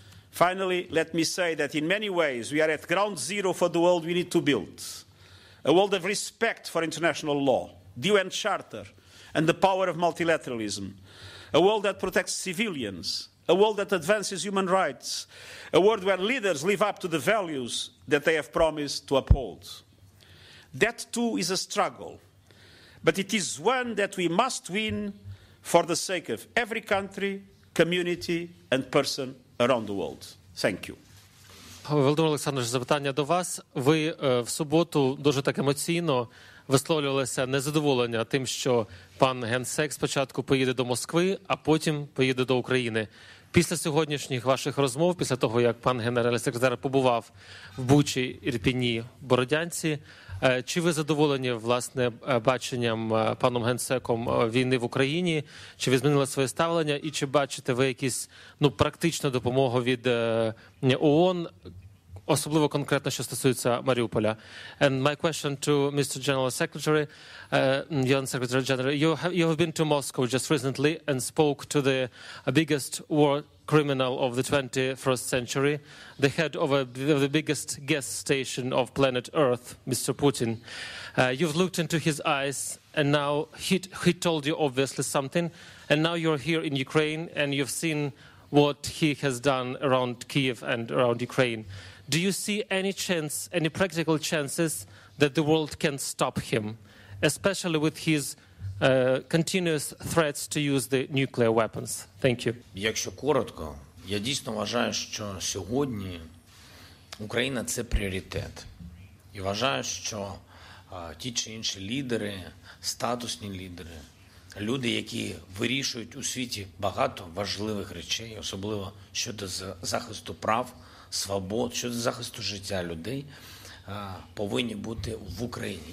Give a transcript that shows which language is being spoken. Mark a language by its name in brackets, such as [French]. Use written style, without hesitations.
[English] Finally, let me say that in many ways we are at ground zero for the world we need to build, a world of respect for international law, the UN Charter, and the power of multilateralism, a world that protects civilians, a world that advances human rights, a world where leaders live up to the values that they have promised to uphold. That too is a struggle, but it is one that we must win for the sake of every country, community, and person around the world. Thank you. [Ukrainian] Володимир Олександрович, запитання до вас. Ви в суботу дуже так емоційно висловлювалися незадоволення тим, що пан Генсек спочатку поїде до Москви, а потім поїде до України. Після сьогоднішніх ваших розмов, після того, як пан генеральний секретар побував в Бучі, Ірпіні, Бородянці, чи ви задоволені, власне, баченням паном Генсеком війни в Україні? Чи ви змінили своє ставлення? І чи бачите ви якісь, ну, практичну допомогу від ООН, особливо конкретно, що стосується Маріуполя? [English] And my question to Mr. General Secretary, UN Secretary General, you have been to Moscow just recently and spoke to the biggest war criminal of the 21st century, the head of the biggest gas station of planet Earth, Mr. Putin. You've looked into his eyes, and now he told you obviously something, and now you're here in Ukraine, and you've seen what he has done around Kyiv and around Ukraine. Do you see any chance, any practical chances that the world can stop him, especially with his continuous threats to use the nuclear weapons? Thank you. [Ukrainian] Якщо коротко, я дійсно вважаю, що сьогодні Україна – це пріоритет. І вважаю, що ті чи інші лідери, статусні лідери, люди, які вирішують у світі багато важливих речей, особливо щодо захисту прав, свобод, щодо захисту життя людей, повинні бути в Україні.